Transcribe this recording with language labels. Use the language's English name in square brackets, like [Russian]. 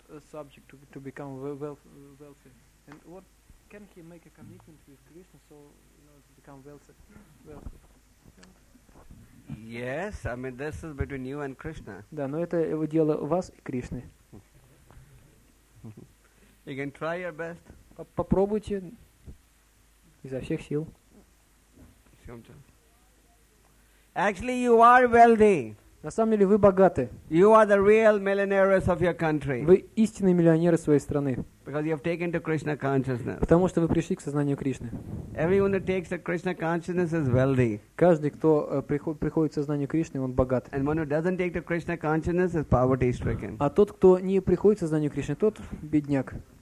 [English] Subject to become wealthy, and what can he make a commitment with Krishna so to become wealthy? Yes, I mean this is between you and Krishna. [Russian] Да, но это его дело вас и Кришны. [English] You can try your best. [Russian] Попробуйте изо всех сил. [English] Actually, you are wealthy. [Russian] На самом деле вы богаты. [English] You are the real millionaires of your country. [Russian] Вы истинные миллионеры своей страны. [English] Because you have taken to Krishna consciousness. [Russian] Потому что вы пришли к сознанию Кришны. [English] Everyone who takes to Krishna consciousness is wealthy. [Russian] Каждый, кто приходит к сознанию Кришны, он богат. [English] And one who doesn't take to Krishna consciousness is poverty stricken. [Russian] А тот, кто не приходит к сознанию Кришны, тот бедняк.